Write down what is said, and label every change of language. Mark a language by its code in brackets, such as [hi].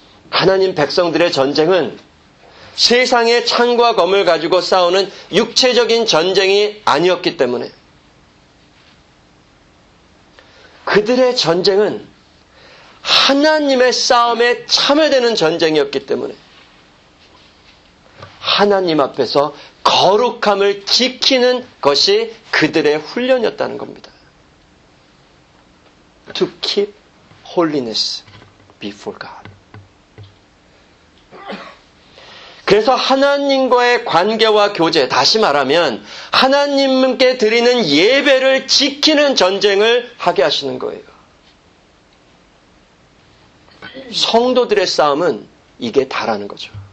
[ko] 하나님 백성들의 전쟁은 세상의 창과 검을 가지고 싸우는 육체적인 전쟁이 아니었기 때문에 그들의 전쟁은 하나님의 싸움에 참여되는 전쟁이었기 때문에 하나님 앞에서 거룩함을 지키는 것이 그들의 훈련이었다는 겁니다. [en] To keep holiness before God. [ko] 그래서 하나님과의 관계와 교제, 다시 말하면 하나님께 드리는 예배를 지키는 전쟁을 하게 하시는 거예요. 성도들의 싸움은 이게 다라는 거죠.